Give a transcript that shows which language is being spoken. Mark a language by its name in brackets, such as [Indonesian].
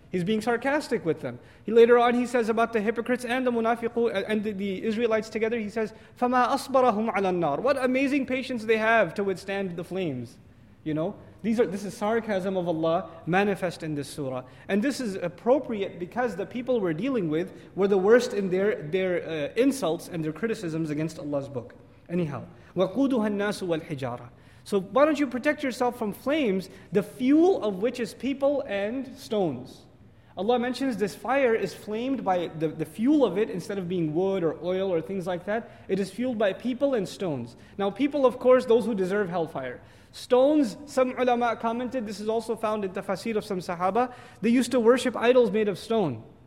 [English] He's being sarcastic with them. Later on, he says about the hypocrites and the munafiqu and the Israelites together, he says, [Arabic] فَمَا أَصْبَرَهُمْ عَلَى النَّارِ. [English] What amazing patience they have to withstand the flames. You know, this is sarcasm of Allah manifest in this surah. And this is appropriate because the people we're dealing with were the worst in their insults and their criticisms against Allah's book. Anyhow, [Arabic] وَقُودُهَا النَّاسُ وَالْحِجَارَةُ. [English] So why don't you protect yourself from flames, the fuel of which is people and stones. Allah mentions this fire is flamed by the fuel of it, instead of being wood or oil or things like that, it is fueled by people and stones. Now people, of course, those who deserve hellfire. Stones, some ulama commented, this is also found in tafsir of some sahaba, they used to worship idols made of stone.